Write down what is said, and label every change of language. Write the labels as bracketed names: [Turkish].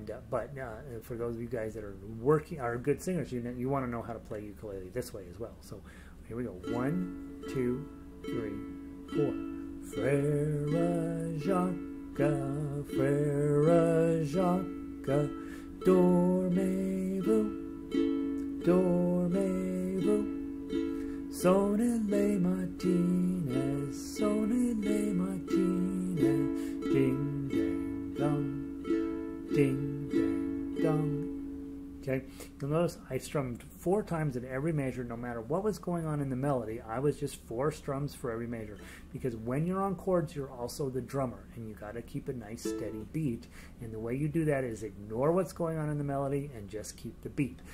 [English] But for those of you guys that are working, are good singers, you want to know how to play ukulele this way as well. So here we go. One, two, three, four. [French] Frère Jacques, Frère Jacques, dormez-vous, dormez-vous, sonnez les matines, sonnez les matines, ding, ding, dong, ding, ding, dong. [English] Okay, you'll notice I strummed four times in every measure, no matter what was going on in the melody. I was just four strums for every measure, because when you're on chords, you're also the drummer, and you got to keep a nice steady beat. And the way you do that is ignore what's going on in the melody and just keep the beat.